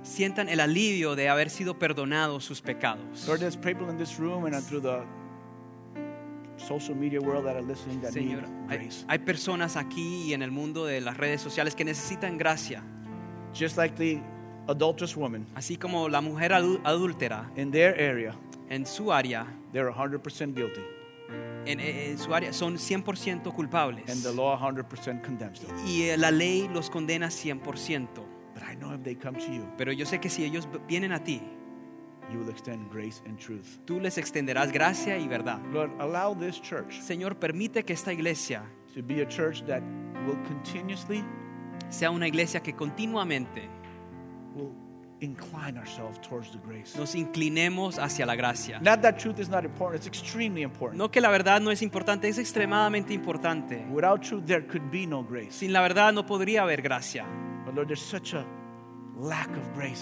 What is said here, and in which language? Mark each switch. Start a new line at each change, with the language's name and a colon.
Spanish: sientan el alivio de haber sido perdonados sus pecados.
English: Lord, there's people in this room and through the social media world that are listening that
Spanish: Señor,
English: need grace.
Spanish: Hay personas aquí y en el mundo de las redes sociales que necesitan gracia.
English: Just like the adulterous woman,
Spanish: así como la mujer adúltera,
English: in their area,
Spanish: en su área,
English: they're 100% guilty.
Spanish: En su área son 100% culpables.
English: And the law 100% condemns them.
Spanish: Y la ley los condena 100%.
English: But I know if they come to you,
Spanish: pero yo sé que si ellos vienen a ti,
English: you will extend grace and truth.
Spanish: Tú les extenderás gracia y verdad.
English: Lord, allow this church,
Spanish: Señor, permite que esta iglesia,
English: to be a church that will continuously,
Spanish: sea una iglesia que continuamente,
English: will incline ourselves towards the grace.
Spanish: Nos inclinemos hacia la gracia.
English: Not that truth is not important, it's extremely important.
Spanish: No que la verdad no es importante, es extremadamente importante.
English: Without truth there could be no grace.
Spanish: Sin la verdad no podría haber gracia.
English: But Lord, there's such a lack of grace.